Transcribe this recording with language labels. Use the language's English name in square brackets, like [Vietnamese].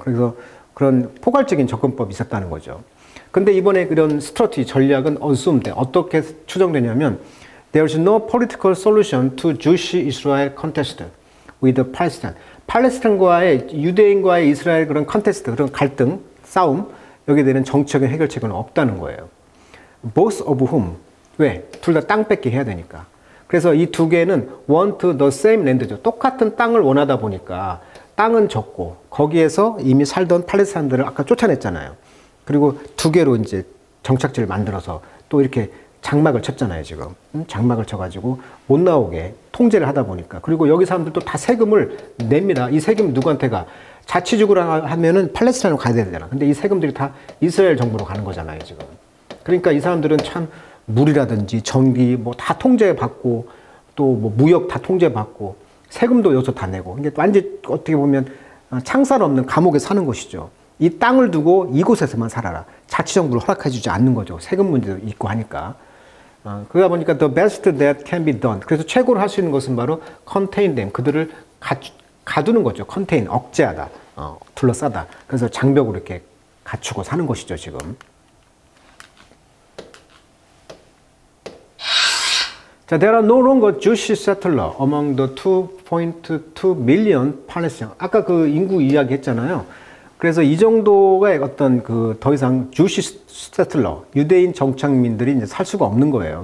[Korean] 그래서 그런 포괄적인 접근법이 있었다는 거죠. 근데 이번에 그런 스트러티 전략은 [English] assumed, [Korean] 어떻게 추정되냐면, [English] There is no political solution to Jewish-Israel contest with the Palestine. [Korean] 팔레스타인과의, 유대인과의 이스라엘 그런 컨테스트, 그런 갈등, 싸움, 여기에 대한 정치적인 해결책은 없다는 거예요. [English] Both of whom. [Korean] 왜? 둘 다 땅 뺏기 해야 되니까. 그래서 이 두 개는 [English] want the same land [Korean] 죠. 똑같은 땅을 원하다 보니까 땅은 적고 거기에서 이미 살던 팔레스타인들을 아까 쫓아냈잖아요. 그리고 두 개로 이제 정착지를 만들어서 또 이렇게 장막을 쳤잖아요, 지금. 장막을 쳐가지고 못 나오게 통제를 하다 보니까. 그리고 여기 사람들도 다 세금을 냅니다. 이 세금 누구한테 가? 자치주구라 하면은 팔레스타인으로 가야 되잖아. 근데 이 세금들이 다 이스라엘 정부로 가는 거잖아요, 지금. 그러니까 이 사람들은 참 물이라든지 전기 뭐 다 통제받고 또 뭐 무역 다 통제받고 세금도 여기서 다 내고. 이게 완전 어떻게 보면 창살 없는 감옥에 사는 것이죠. 이 땅을 두고 이곳에서만 살아라. 자치정부를 허락해주지 않는 거죠. 세금 문제도 있고 하니까. 그러다 보니까 [English] the best that can be done. [Korean] 그래서 최고로 할 수 있는 것은 바로 [English] contain them. [Korean] 그들을 가두는 거죠. contain, 억제하다. 둘러싸다. 그래서 장벽으로 이렇게 갖추고 사는 것이죠, 지금. [English] 자, there are no longer Jewish settlers among the 2.2 million Palestinians. [Korean] 아까 그 인구 이야기 했잖아요. 그래서 이 정도의 어떤 그 더 이상 주시 세틀러, 유대인 정착민들이 이제 살 수가 없는 거예요.